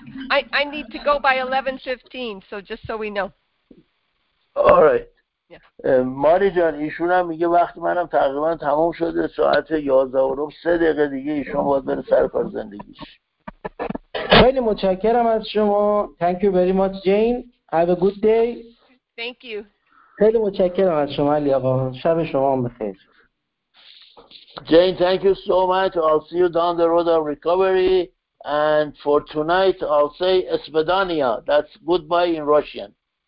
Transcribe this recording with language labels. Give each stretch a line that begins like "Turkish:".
English: I need to go by 11:15, so just so we know. All right. Yeah.
Persian: ماری جان ایشون هم میگه وقت منم تقریبا تمام شده، ساعت 11:30 دیگه ایشون باید بره سر کار زندگیش. خیلی متشکرم از شما.
English: Thank you very much, Jane. Have a good day. Thank you.
Persian: خیلی متشکرم از شما علی آقا. شب شما هم بخیر.
English: Jane, thank you so much. I'll see you down the road of recovery. And for tonight, I'll say Svidaniya. That's goodbye in Russian.